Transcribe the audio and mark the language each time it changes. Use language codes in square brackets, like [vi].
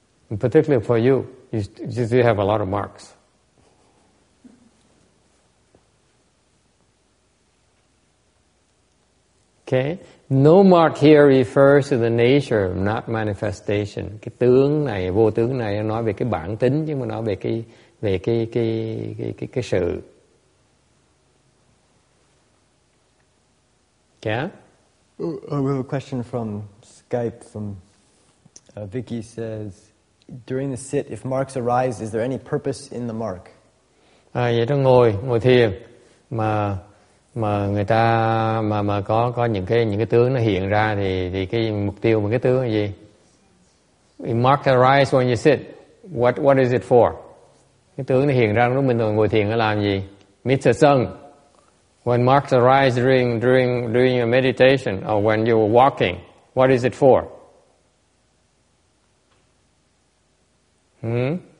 [en] And particularly for you, you have a lot of marks. Okay? No mark here refers to the nature, not manifestation. [vi] Cái tướng này, vô tướng này nói về cái bản tính, chứ mà nói về cái sự. [en] Okay? We have a question from Skype. From Vicky says, during the sit, if marks arise, is there any purpose in the mark? [vi] Vậy đó, ngồi thiền mà người ta mà có những cái tướng nó hiện ra thì cái mục tiêu của cái tướng là gì? [en] A mark arises when you sit. What is it for? [vi] Cái tướng nó hiện ra lúc mình ngồi thiền nó làm gì? [en] Mr. Sung. When marks arise during your meditation or when you're walking, what is it for? Hmm?